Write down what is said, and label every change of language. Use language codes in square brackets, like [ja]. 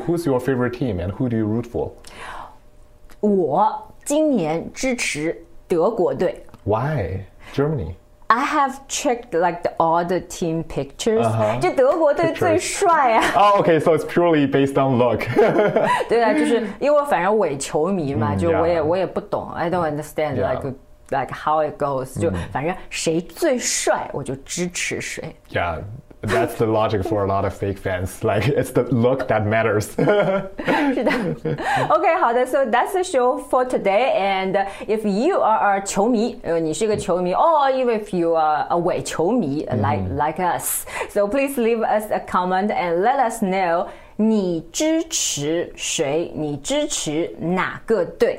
[en] Who's your favorite team and who do you root for? [zh] 我今年支持德国队。 [en] Why? Germany? I have checked like all the team pictures. [zh] 就德国队最帅啊。 [en] Oh, okay, so it's purely based on look. [zh] 对啊，就是因为反正伪球迷嘛，就我也不懂。 [en] I don't understand like how it goes. [zh] 就反正谁最帅，我就支持谁。 [en] Yeah, that's the logic for a lot of fake fans. Like, it's the look that matters. [zh] 是的。 [en] Okay, [zh] 好的。 [en] So that's the show for today. And if you are a 球迷， [zh] 你是个球迷， [en] or even if you are a 伪球迷like us, so please leave us a comment and let us know [zh] 你支持谁，你支持哪个队。